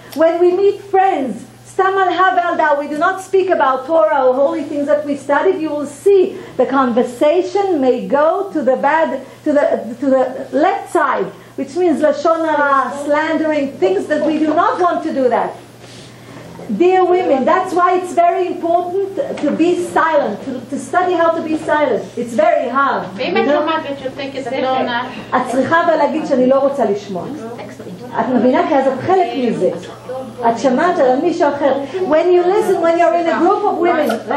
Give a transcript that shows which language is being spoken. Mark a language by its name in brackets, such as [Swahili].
[English] When we meet friends, Staman Havelda, we do not speak about Torah or holy things that we studied, you will see the conversation may go to the bad, to the left side, which means Lashon Hara, slandering, things that we do not want to do that. Dear women, that's why it's very important to be silent, to study how to be silent. It's very hard. ואם את לומדת, you think it's a [Hebrew] את צריכה להגיד שאני לא רוצה לשמוע. את מבינה? כי אז את חלק מזה. את שמעת על מישהו אחר. [English] When you listen, when you're in a group of women.